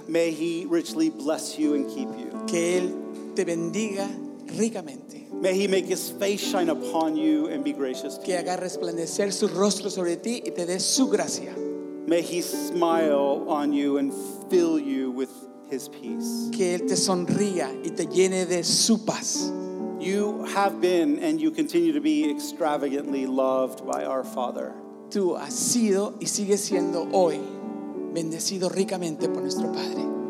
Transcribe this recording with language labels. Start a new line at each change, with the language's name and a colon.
English: may he richly bless you and keep you.
Spanish: Que él te bendiga ricamente.
English: May he make his face shine upon you and be gracious to
Spanish: que
English: you.
Spanish: Que haga resplandecer su rostro sobre ti y te dé su gracia.
English: May he smile on you and fill you with his peace.
Spanish: Que él te sonría y te llene de su paz.
English: You have been and you continue to be extravagantly loved by our Father.
Spanish: Tú has sido y sigues siendo hoy bendecido ricamente por nuestro Padre.